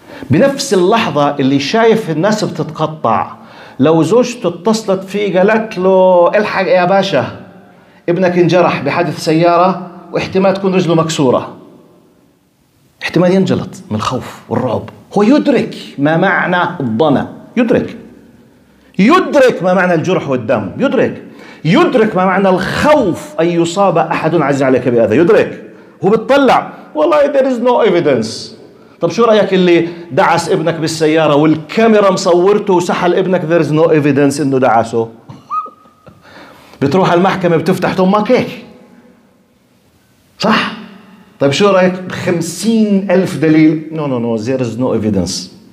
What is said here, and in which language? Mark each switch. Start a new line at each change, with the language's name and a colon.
Arabic: بنفس اللحظة اللي شايف الناس بتتقطع، لو زوجته اتصلت فيه قالت له الحق يا باشا ابنك انجرح بحادث سيارة واحتمال تكون رجله مكسورة، احتمال ينجلط من الخوف والرعب. هو يدرك ما معنى الضنى، يدرك ما معنى الجرح والدم، يدرك ما معنى الخوف أن يصاب أحد عزيز عليك بهذا، يدرك. هو بتطلع والله
English: there is no evidence.
Arabic: طب شو رأيك اللي دعس ابنك بالسيارة والكاميرا مصورته وسحل ابنك،
English: there is no evidence
Arabic: انه دعسه. بتروح المحكمة بتفتح تمك هيك صح؟ طيب شو رأيك 50,000 دليل،
English: no there is no evidence.